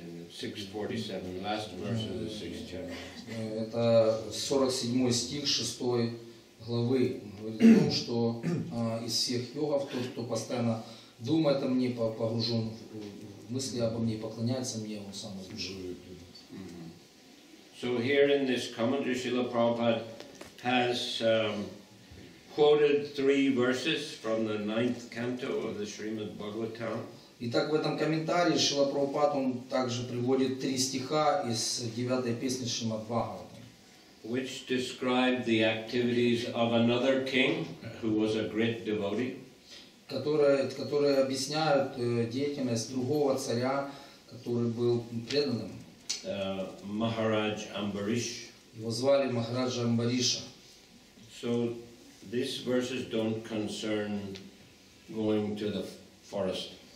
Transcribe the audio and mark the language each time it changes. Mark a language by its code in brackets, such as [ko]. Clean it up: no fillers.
[en] 647, last verse of the sixth chapter. [ru] Это 47 стих 6 главы. Говорит о том, что из всех йогов тот, кто постоянно думает о мне, погружен в мысли обо мне, поклоняется мне, он сам возлюбит. [en] So here in this commentary, Srila Prabhupada has quoted three verses from the ninth canto of the Srimad Bhagavatam. [ru] Итак, в этом комментарии Шрила Прабхупад он также приводит три стиха из девятой песни Шримад Бхагаватам. [en] Which describe the activities of another king who was a great devotee. [ru] Которые объясняют деятельность другого царя, который был преданным. Махарадж Амбариш. Его звали Махарадж Амбариша. [en] So these verses don't concern going to the forest.